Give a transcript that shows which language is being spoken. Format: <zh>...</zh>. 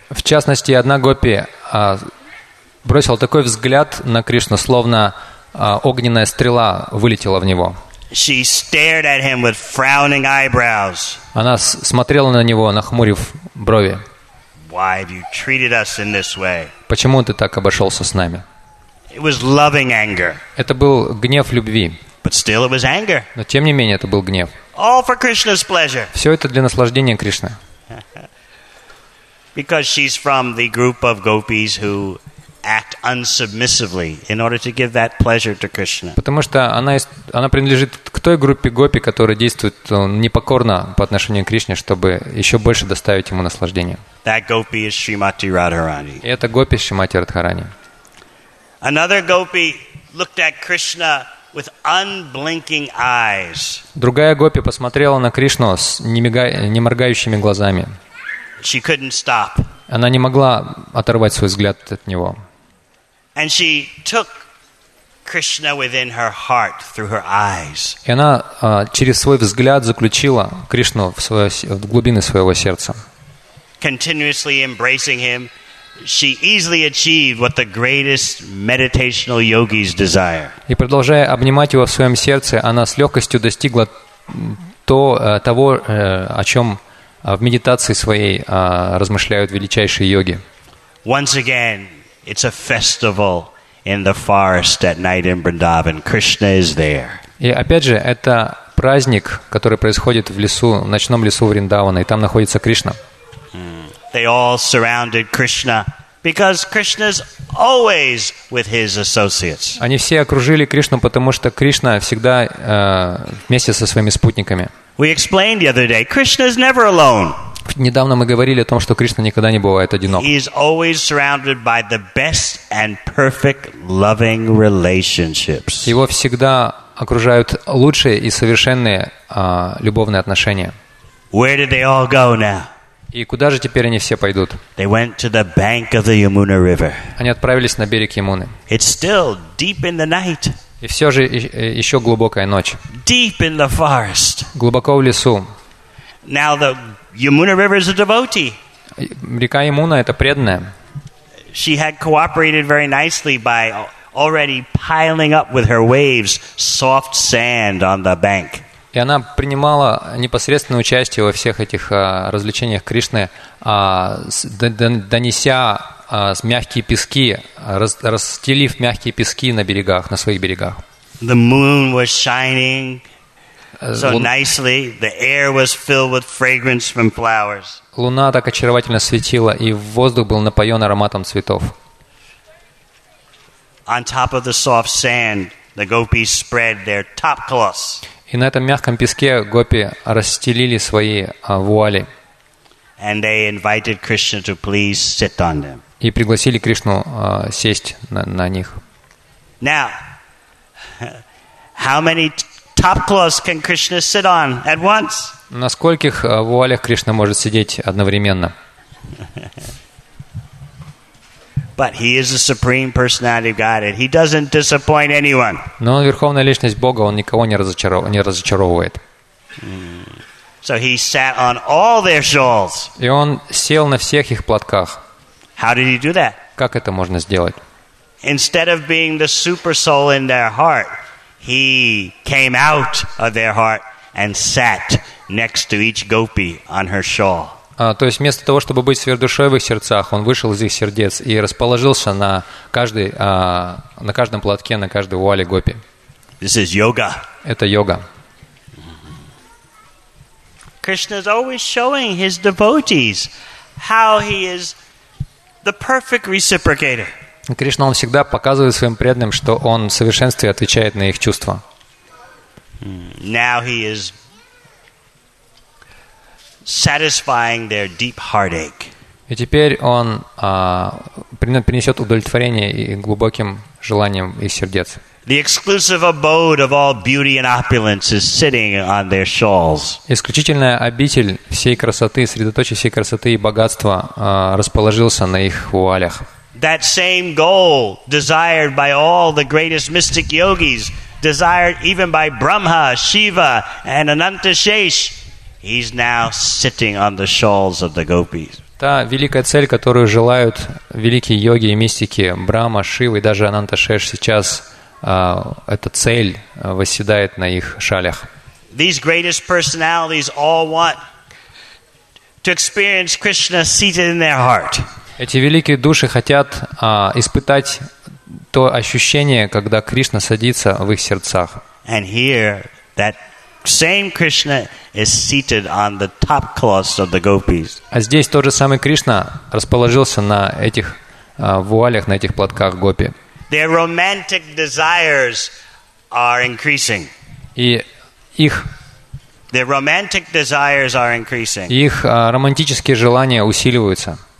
<ru>В частности, одна гопи бросила такой взгляд на Кришну, словно огненная стрела вылетела в него.</ru> <en>She stared at him with frowning eyebrows.</en> <ru>Она смотрела на него, нахмурив брови.</ru> <en>Why have you treated us in this way?</en> <ru>Почему ты так обошелся с нами?</ru> <en>It was loving anger.</en> <ru>Это был гнев любви.</ru> <en>But still it was anger.</en> <ru>Но тем не менее это был гнев.</ru> <en>All for Krishna's pleasure.</en> <ru>Все это для наслаждения Кришны.</ru> <en>Because she's from the group of gopis who act unsubmissively in order to give that pleasure to Krishna.</en> <ru>Потому что она принадлежит к той группе гопи, которая действует непокорно по отношению к Кришне, чтобы еще больше доставить ему наслаждение.</ru> <en>That gopi is Srimati Radharani.</en> <ru>Это гопи Шримати Радхарани.</ru> <en>Another gopi looked at Krishna with unblinking eyes.</en> <ru>Другая гопи посмотрела на Кришну с не моргающими глазами.</ru> <en>She couldn't stop.</en> <ru>Она не могла оторвать свой взгляд от него.</ru> <en>And she took Krishna within her heart through her eyes.</en> <ru>И она через свой взгляд заключила Кришну в глубины своего сердца.</ru> <en>Continuously embracing him, she easily achieved what the greatest meditational yogis desire.</en> <ru>И продолжая обнимать его в своем сердце, она с легкостью достигла того, о чем в медитации своей размышляют величайшие йоги.</ru> <en>Once again, it's a festival in the forest at night in Vrindavan. Krishna is there.</en> <ru>И опять же, это праздник, который происходит в лесу, в ночном лесу Вриндавана, и там находится Кришна.</ru> <en>They all surrounded Krishna because Krishna's always with his associates.</en> <ru>Они все окружили Кришну, потому что Кришна всегда вместе со своими спутниками.</ru> <en>We explained the other day, Krishna is never alone.</en> <ru>Недавно мы говорили о том, что Кришна никогда не бывает одинок.</ru> <en>He is always surrounded by the best and perfect loving relationships.</en> <ru>Его всегда окружают лучшие и совершенные любовные отношения.</ru> <en>Where did they all go now?</en> <ru>И куда же теперь они все пойдут?</ru> <en>They went to the bank of the Yamuna River.</en> <ru>Они отправились на берег Ямуны.</ru> <en>It's still deep in the night.</en> <ru>И все же еще глубокая ночь.</ru> <en>Deep in the forest.</en> <ru>Глубоко в лесу.</ru> <en>Now the Yamuna River is a devotee.</en> <ru>Река Ямуна — это преданная.</ru> <en>She had cooperated very nicely by already piling up with her waves soft sand on the bank.</en> <ru>И она принимала непосредственное участие во всех этих развлечениях Кришны, донеся мягкие пески, расстелив мягкие пески на берегах, на своих берегах.</ru> <en>The moon was shining so nicely. The air was filled with fragrance from flowers.</en> <ru>Луна так очаровательно светила, и воздух был напоен ароматом цветов.</ru> <en>On top of the soft sand, the gopis spread their top cloths.</en> <ru>И на этом мягком песке гопи расстелили свои вуали.</ru> <en>And they invited Krishna to please sit on them.</en> <ru>И пригласили Кришну сесть на них.</ru> <en>Now, how many top cloths can Krishna sit on at once?</en> <ru>На скольких вуалях Кришна может сидеть одновременно?</ru> <en>But he is the supreme personality of Godhead. He doesn't disappoint anyone.</en> <ru>Но он верховная личность Бога, он никого не разочаровывает.</ru> <en>So he sat on all their shawls.</en> <ru>И он сел на всех их платках.</ru> <en>How did he do that?</en> <ru>Как это можно сделать?</ru> <en>Instead of being the super soul in their heart, he came out of their heart and sat next to each gopi on her shawl.</en> <ru>То есть вместо того, чтобы быть сверхдушой в их сердцах, он вышел из их сердец и расположился на каждом платке, на каждой вуале гопи.</ru> <en>This is yoga.</en> <ru>Это йога.</ru> <en>Krishna is always showing his devotees how he is the perfect reciprocator.</en> <ru>Кришна, он всегда показывает своим преданным, что он в совершенстве отвечает на их чувства.</ru> <en>Now he is satisfying their deep heartache.</en> <ru>И теперь он принесет удовлетворение и глубоким желаниям их сердец.</ru> <en>The exclusive abode of all beauty and opulence is sitting on their shawls.</en> <ru>Исключительная обитель всей красоты, средоточие всей красоты и богатства расположился на их вуалях.</ru> <en>That same goal desired by all the greatest mystic yogis, desired even by Brahma, Shiva, and Anantashesh, he's now sitting on the shawls of the gopis.</en> <ru>Та великая цель, которую желают великие йоги и мистики Брама, Шива и даже Ананташеш сейчас, эта цель восседает на их шалях.</ru> <en>These greatest personalities all want to experience Krishna seated in their heart.</en> <ru>Эти великие души хотят испытать то ощущение, когда Кришна садится в их сердцах.</ru> <en>And here that same Krishna is seated on the top claws of the gopis.</en> <ru>А здесь тот же самый Кришна расположился на этих вуалях, на этих платках гопи.</ru> <en>Their romantic desires are increasing.</en> <ru>И их</ru> <en>Their romantic desires are increasing.</en> <ru>Их романтические желания усиливаются.</ru>